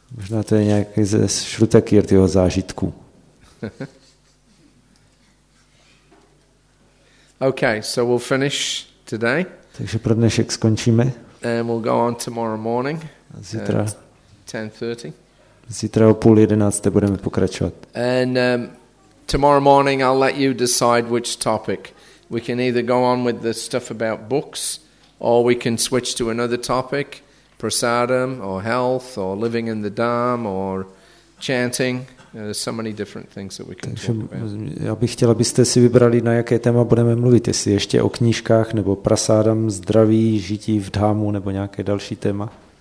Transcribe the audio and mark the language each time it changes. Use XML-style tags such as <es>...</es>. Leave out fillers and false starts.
<cs>Možná to je nějaký ze Sri Takirtiho zážitku.</cs> <en>Okay, so we'll finish today.</en> <cs>Takže pro dnešek skončíme.</cs> <en>And we'll go on tomorrow morning.</en> <cs>Zítra.</cs> <en>10:30.</en> <cs>Zítra o 10:30 budeme pokračovat.</cs> <en>And tomorrow morning I'll let you decide which topic. We can either go on with the stuff about books, or we can switch to another topic, prasadam, or health, or living in the dham, or chanting. There's so many different things that we can</en> <cs>Takže</cs> <en>talk about.</en> <cs>Já bych chtěl, abyste si vybrali, na jaké téma budeme mluvit, jestli ještě o knížkách, nebo prasadam, zdraví, žití v dhámu, nebo nějaké další téma.</cs>